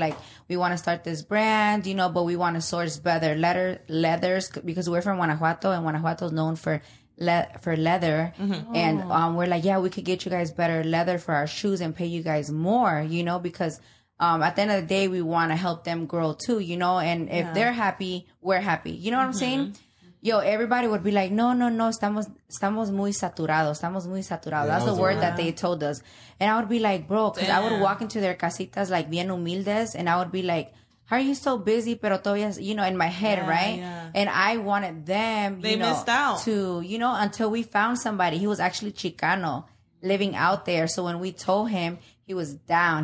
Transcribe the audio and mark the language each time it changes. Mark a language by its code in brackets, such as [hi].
[en] Like, we want to start this brand, you know, but we want to source better leathers because we're from Guanajuato, and Guanajuato is known for leather. Mm-hmm. And we're like, yeah, we could get you guys better leather for our shoes and pay you guys more, you know, because at the end of the day, we want to help them grow, too, you know. And if they're happy, we're happy. You know what I'm saying? Yo, everybody would be like, no, [es] estamos muy saturados, estamos muy saturados. [en] Yeah, that's the word that they told us. And I would be like, bro, because I would walk into their casitas, like, [es] bien humildes, [en] and I would be like, how are you so busy, [es] pero todavía, [en] you know, in my head, right? Yeah. And I wanted them, until we found somebody. He was actually Chicano, living out there. So when we told him, he was down.